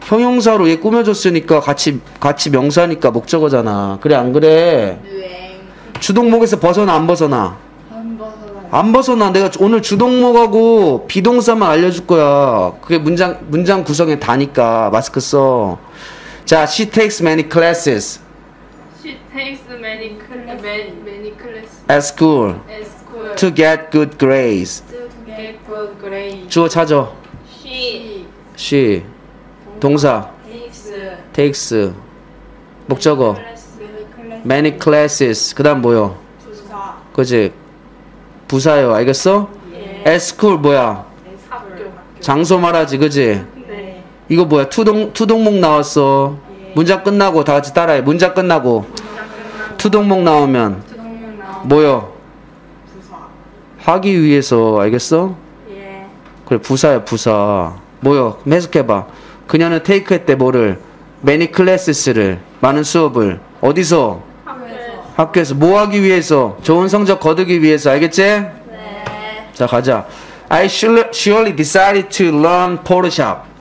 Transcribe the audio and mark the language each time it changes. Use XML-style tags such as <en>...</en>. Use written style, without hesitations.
<ko>형용사로 얘 꾸며줬으니까 같이 명사니까 목적어잖아. 그래 안 그래? 네. 주동 목에서 벗어나 안 벗어나? 안 벗어나. 안 벗어나. 내가 오늘 주동 목하고 비동사만 알려줄 거야. 그게 문장 구성에 다니까. 마스크 써.</ko> <en>자, she takes many classes. She takes many classes. At school. At school. To get good grades. To get good grades.</en> <ko>주어 찾아.</ko> <en>She.</en> <ko>동사.</ko> <en>Takes.</en> <ko>목적어.</ko> <en>Many classes.</en> <ko>그 다음 뭐요? 부사. 그지? 부사요. 알겠어? 예.</ko> <en>At school</en> <ko>뭐야? 학교. 장소 말하지. 그지? 네. 이거 뭐야? 투동목 나왔어. 예. 문장 끝나고 다 같이 따라해. 문장 끝나고. 끝나고. 투동목 나오면. 뭐요? 하기 위해서, 알겠어? 예. 그래, 부사야, 부사. 뭐요? 그럼 해석해봐. 그녀는 테이크 했대, 뭐를?</ko> <en>Many classes</en> <ko>를. 많은 수업을. 어디서? 학교에서. 뭐 하기 위해서? 좋은 성적 거두기 위해서, 알겠지? 네. 자, 가자.</ko> <en>I surely decided to learn Photoshop.</en>